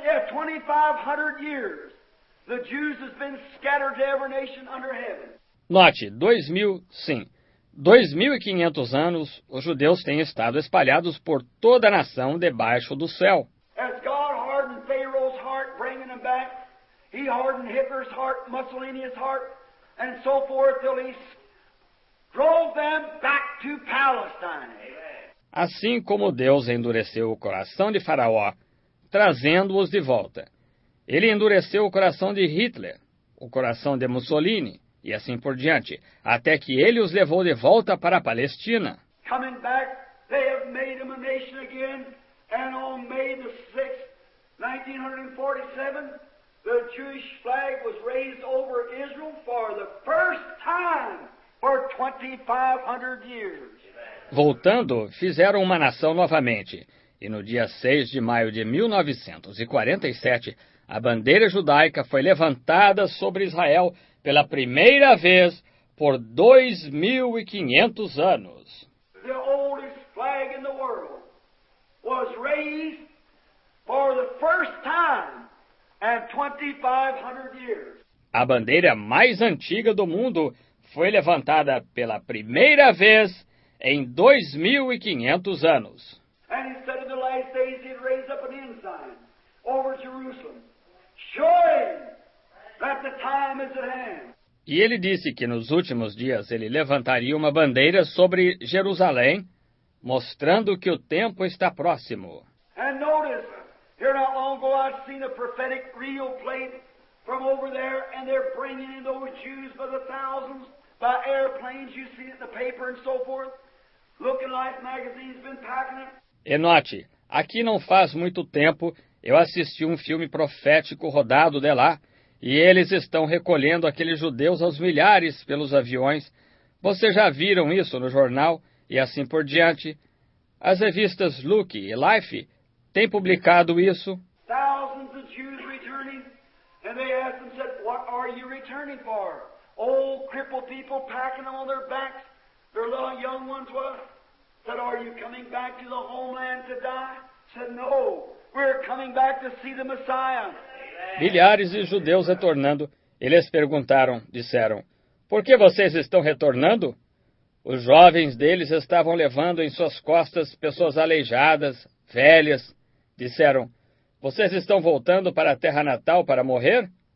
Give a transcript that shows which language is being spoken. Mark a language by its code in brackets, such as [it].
[en] 2,500 years, the Jews has been scattered to every nation under heaven. [pt] Note, 2,000, sim. 2,500 anos, os judeus têm estado espalhados por toda a nação debaixo do céu. [en] As God hardened Pharaoh's heart, bringing them back, he hardened Hitler's heart, Mussolini's heart, and so forth, till he drove them back to Palestine. [pt] Assim como Deus endureceu o coração de Faraó, trazendo-os de volta. Ele endureceu o coração de Hitler, o coração de Mussolini, e assim por diante, até que ele os levou de volta para a Palestina. [en] Coming back, they have made them a nation again, and on May the 6th, 1947, the Jewish flag was raised over Israel for the first time for 2,500 years. [pt] Voltando, fizeram uma nação novamente. E no dia 6 de maio de 1947, a bandeira judaica foi levantada sobre Israel pela primeira vez por 2.500 anos. [en] The oldest flag in the world was raised for the first time in 2,500 years. [pt] A bandeira mais antiga do mundo foi levantada pela primeira vez em 2.500 anos. [en] And instead of the last days, he raised up an ensign over Jerusalem, showing that the time is at hand. [pt] E ele disse que nos últimos dias ele levantaria uma bandeira sobre Jerusalém, mostrando que o tempo está próximo. [en] And notice, here not long ago I've seen a prophetic reel played from over there, and they're bringing in those Jews by the thousands, by airplanes, you see it in the paper and so forth. Looking like magazines been packing it. [pt] E note, aqui não faz muito tempo eu assisti um filme profético rodado de lá, e eles estão recolhendo aqueles judeus aos milhares pelos aviões. Vocês já viram isso no jornal e assim por diante. As revistas Look e Life têm publicado isso. [en] Thousands of Jews returning, and they asked them, said, what are you returning for? Old crippled people packing them on their backs, their little young ones were. Said, are you coming back to the homeland to die? Said, no, we're coming back to see the Messiah. [pt] Milhares de judeus retornando, eles perguntaram, disseram, por que vocês estão retornando? Os jovens deles estavam levando em suas costas pessoas aleijadas, velhas. Disseram, vocês estão voltando para a terra natal para morrer?